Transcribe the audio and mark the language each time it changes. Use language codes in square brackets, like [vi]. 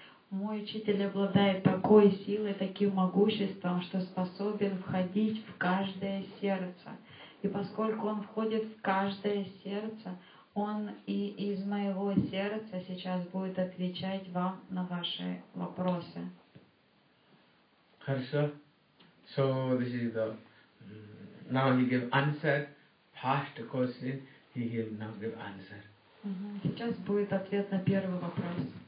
[ru] Мой учитель обладает такой силой, таким могуществом, что способен входить в каждое сердце. И поскольку он входит в каждое сердце, он и из моего сердца сейчас будет отвечать вам на ваши вопросы. Хорошо. [en] So this is the now he give answer. First question he give now give answer. [ru] Сейчас будет ответ на первый вопрос.